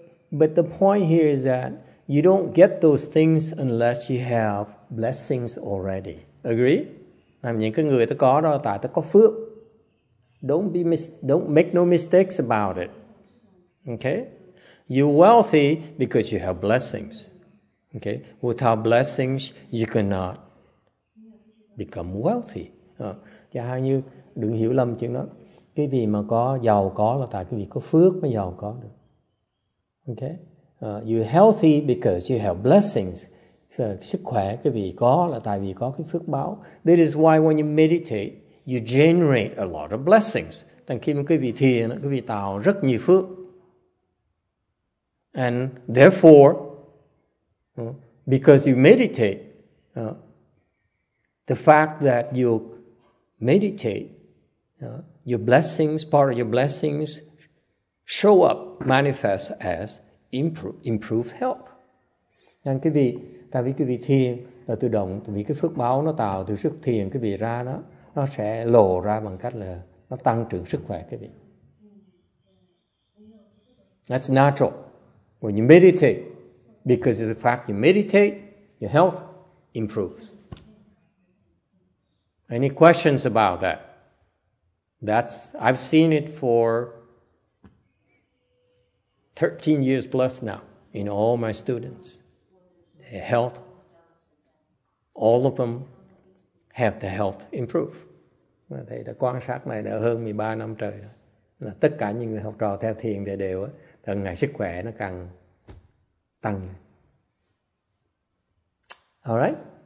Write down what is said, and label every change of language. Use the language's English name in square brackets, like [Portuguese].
[English] But the point here is that you don't get those things unless you have blessings already. Agree? [Vietnamese] Làm những cái người ta có đó tại ta có phước. [English] Don't make no mistakes about it. Okay? You're wealthy because you have blessings. Okay? Without blessings, you cannot become wealthy. [Vietnamese] Chẳng hạn như đừng hiểu lầm chuyện đó. Cái gì mà có giàu có là tại cái gì có phước mới giàu có được. Okay? [English] You're healthy because you have blessings. [Vietnamese] Sức khỏe cái gì có là tại vì có cái phước báo. [English] That is why when you meditate, you generate a lot of blessings. [Vietnamese] Tại khi mà quý vị thiền, quý vị tạo rất nhiều phước. [English] And therefore, because you meditate, the fact that your meditate, your blessings, part of your blessings, show up, manifest as improved health. [Vietnamese] Nên quý vị, tại vì quý vị thiền là tự động, vì cái phước báo nó tạo từ sức thiền quý vị ra đó, nó sẽ lộ ra bằng cách là nó tăng trưởng sức khỏe quý vị. [English] That's natural. When you meditate, because of the fact you meditate, your health improves. Any questions about that? I've seen it for 13 years plus now in all my students. Their health, all of them have the health improve. [Vietnamese] Thầy đã quan sát này đã hơn 13 năm trời rồi. Là tất cả những người học trò theo thiền thì đều từng ngày sức khỏe nó càng tăng. [English] All right.